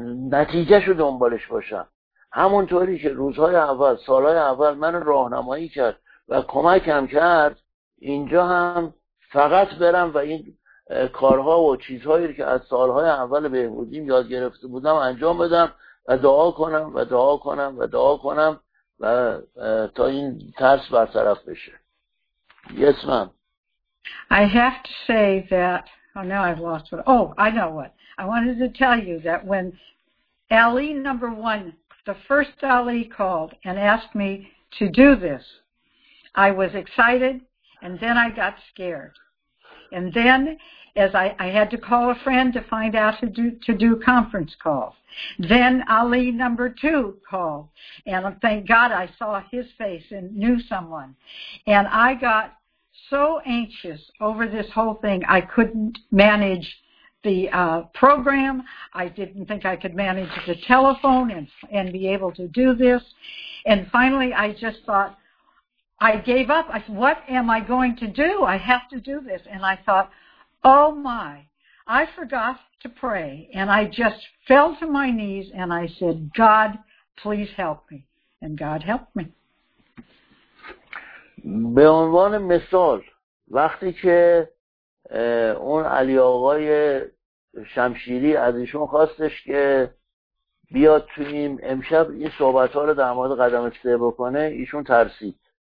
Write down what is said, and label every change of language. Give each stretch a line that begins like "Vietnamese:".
Persian: نتیجه شو دنبالش باشم همونطوری که روزهای اول سالهای اول من راهنمایی کرد و کمکم کرد اینجا هم فقط برم و این کارها و چیزهایی که از سالهای اول بهبودیم یاد گرفته بودم انجام بدم و دعا کنم و دعا کنم و دعا کنم و تا این ترس برطرف بشه.
English: Yes, ma'am. I have to say that, oh, now I've lost what, oh, I know what. I wanted to tell you that when Ali number one, the first Ali called and asked me to do this, I was excited and then I got scared. And then, as I had to call a friend to find out to do conference calls. Then Ali number two called, and thank God I saw his face and knew someone. And I got so anxious over this whole thing. I couldn't manage the program. I didn't think I could manage the telephone and be able to do this. And finally, I just thought, I gave up. I said, what am I going to do? I have to do this. And I thought, oh, my, I forgot to pray. And I just fell to my knees and I said, God, please help me. And God helped me.
Persian: به عنوان مثال، وقتی که اون علی آقای شمشیری ازشون خواستش که بیاد تونیم امشب این صحبت‌ها رو در مورد قدم سه بکنه، ایشون ترسید.